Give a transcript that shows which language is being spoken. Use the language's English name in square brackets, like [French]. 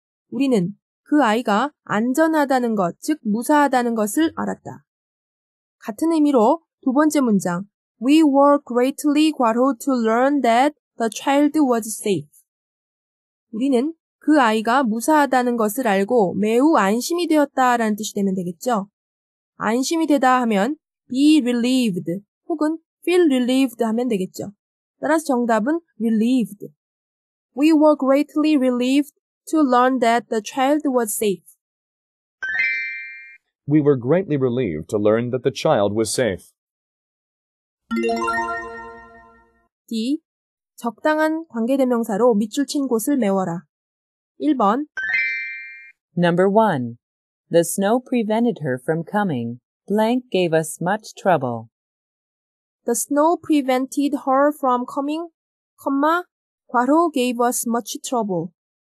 [Korean] 우리는 그 아이가 안전하다는 것, 즉 무사하다는 것을 알았다. 같은 의미로 두 번째 문장 [English] we were greatly glad to learn that the child was safe. [Korean] 우리는 그 아이가 무사하다는 것을 알고 매우 안심이 되었다라는 뜻이 되면 되겠죠. 안심이 되다 하면 [English] be relieved [Korean] 혹은 [English] feel relieved [Korean] 하면 되겠죠. 따라서 정답은 relieved. [English] We were greatly relieved to learn that the child was safe. We were greatly relieved to learn that the child was safe. D. [Korean] 적당한 관계대명사로 밑줄 친 곳을 메워라. 1번 [English] Number 1. The snow prevented her from coming. Blank gave us much trouble. The snow prevented her from coming, comma, 과로 gave us much trouble.